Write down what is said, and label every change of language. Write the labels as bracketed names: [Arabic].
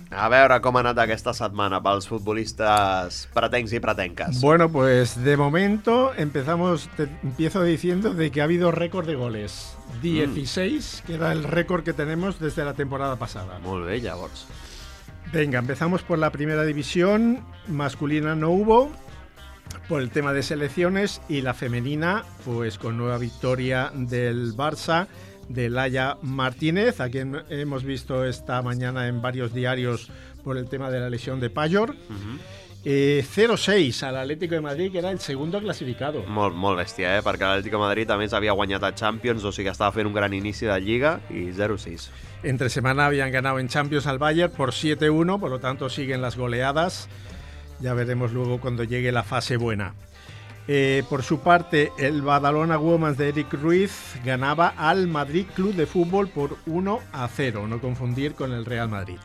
[Catalan] A veure com ha anat aquesta setmana pels futbolistes pretencs i pretenques. [Spanish] Bueno, pues de momento empiezo diciendo de que ha habido récord de goles. 16, que era el récord que tenemos desde la temporada pasada. [Catalan] Molt bé, llavors. [Spanish] Venga, empezamos por la primera división. Masculina no hubo, por el tema de selecciones. Y la femenina, pues con nueva victoria del Barça, de Laia Martínez, a quien hemos visto esta mañana en varios diarios por el tema de la lesión de Payor. Uh-huh. 0-6 al Atlético de Madrid, que era el segundo clasificado. [Catalan] Molt, molt bèstia, perquè l'Atlético de Madrid també s'havia guanyat a Champions, o sigui, estava fent un gran inici de Lliga, i 0-6. [Spanish] Entre semana habían ganado en Champions al Bayern por 7-1, por lo tanto siguen las goleadas. Ya veremos luego cuando llegue la fase buena. Por su parte, el Badalona Women's de Eric Ruiz ganaba al Madrid Club de Fútbol por 1-0, no confundir con el Real Madrid.